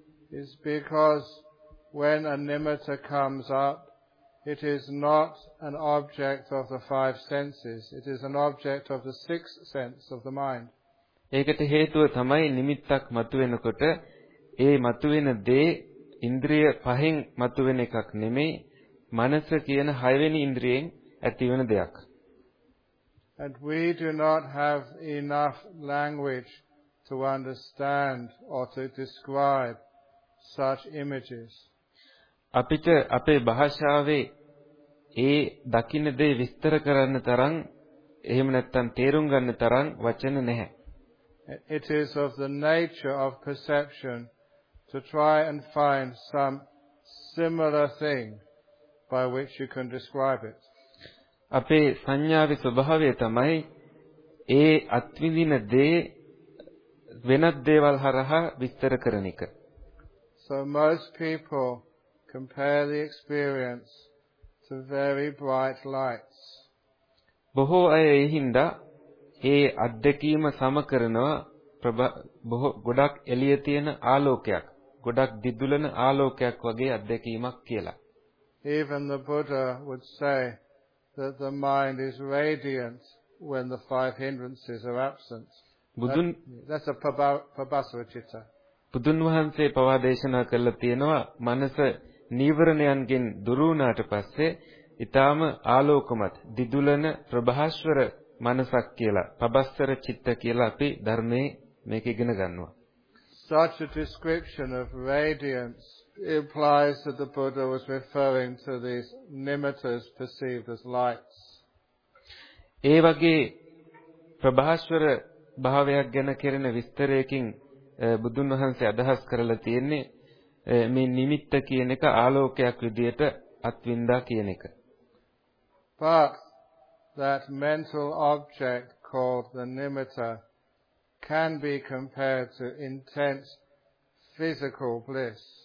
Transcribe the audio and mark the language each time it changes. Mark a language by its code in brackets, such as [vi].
[en] It's because when a nimitta comes up, it is not an object of the five senses. It is an object of the sixth sense of the mind. [si] ඒකට හේතුව තමයි නිමිත්තක් මතුවෙනකොට ඒ මතුවෙන දේ ඉන්ද්‍රිය පහෙන් මතුවෙන එකක් නෙමෙයි මනස කියන හයවෙනි ඉන්ද්‍රියෙන් ඇතිවෙන දෙයක්. [en] And we do not have enough language to understand or to describe such images. [si] අපිට අපේ භාෂාවේ ඒ දකින්න දේ විස්තර කරන්න තරම් එහෙම නැත්නම් තේරුම් ගන්න තරම් වචන නැහැ. [en] It is of the nature of perception to try and find some similar thing by which you can describe it. [si] අපේ සංඥාවේ ස්වභාවය තමයි ඒ අත්විඳින දේ වෙනත් දේවල් හරහා විස්තර කරන එක. [en] So most people compare the experience to very bright lights. [si] බොහෝ අය එහිඳ ඒ අත්දැකීම සමකරනවා බොහෝ ගොඩක් එළිය තියෙන ආලෝකයක්, ගොඩක් දිදුලන ආලෝකයක් වගේ අත්දැකීමක් කියලා. [en] Even the Buddha would say that the mind is radiant when the five hindrances are absent. [si] බුදුන් [en] that's a prabhasaracitta. [si] බුදුන් වහන්සේ පවා දේශනා කළා තියෙනවා මනස නීවරණයන්ගෙන් දුරු වුණාට පස්සේ ඊටාම ආලෝකමත් දිදුලන ප්‍රභාස්වර මනසක් කියලා. පබස්සර චිත්ත කියලා අපි ධර්මයේ මේක ඉගෙන ගන්නවා. [en] Such a description of radiance implies that the Buddha was referring to these nimittas perceived as lights. [si] ඒ වගේ ප්‍රභාස්වර භාවයක් ගැන කෙරෙන විස්තරයකින් බුදුන් වහන්සේ අදහස් කරලා තියෙන්නේ මේ නිමිත්ත කියන එක ආලෝකයක් විදියට අත්විඳා කියන එක. [en] But that mental object called the nimitta can be compared to intense physical bliss.